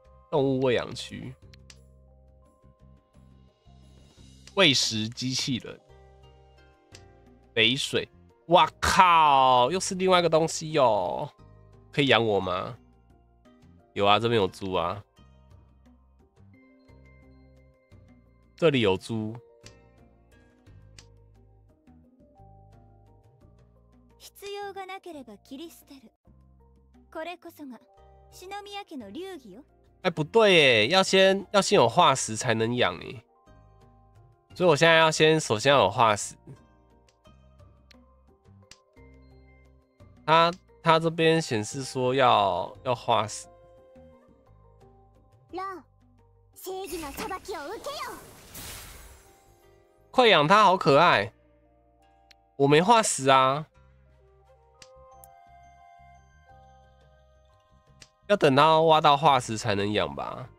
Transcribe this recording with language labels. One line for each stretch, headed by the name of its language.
Chinese: 动物喂养区，喂食机器人，肥水，哇靠，又是另外一个东西哟、喔！可以养我吗？有啊，这边有猪啊，这里有猪。
Japanese: 必要がなければ切り捨てる。これこそが篠宮家の流儀よ。
Chinese: 哎、欸，不对耶，要先有化石才能养耶，所以我现在首先要有化石。他这边显示说要化石。
Japanese: ロー、正義の裁きを受けよ。
Chinese: 快养他，好可爱。我没化石啊，要等到挖到化石才能养吧？